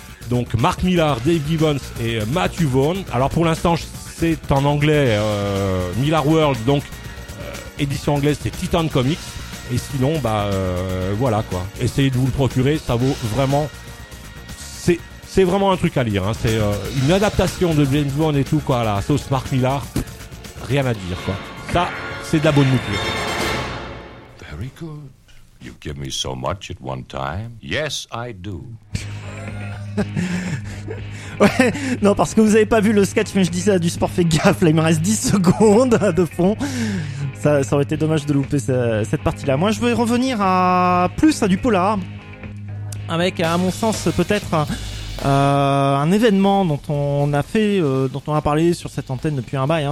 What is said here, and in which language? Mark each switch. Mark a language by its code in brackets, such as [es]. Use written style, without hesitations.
[fr] Donc, Mark Millar, Dave Gibbons et Matthew Vaughn. Alors, pour l'instant, c'est en anglais, Millar World, donc édition anglaise, c'est Titan Comics. Et sinon, bah voilà quoi. Essayez de vous le procurer, ça vaut vraiment. C'est vraiment un truc à lire. Hein. C'est une adaptation de James Bond et tout quoi. La sauce Mark Millar, rien à dire quoi. Ça, c'est de la bonne mouture. [en] Very good. You give me so much at one time. Yes, I do. [fr] Ouais, non, parce que vous avez pas vu le sketch, mais je disais du sport, fais gaffe, là il me reste 10 secondes de fond. Ça aurait été dommage de louper cette partie-là. Moi, je vais revenir à plus à du polar, avec, à mon sens, peut-être un événement dont on a fait, dont on a parlé sur cette antenne depuis un bail. Hein.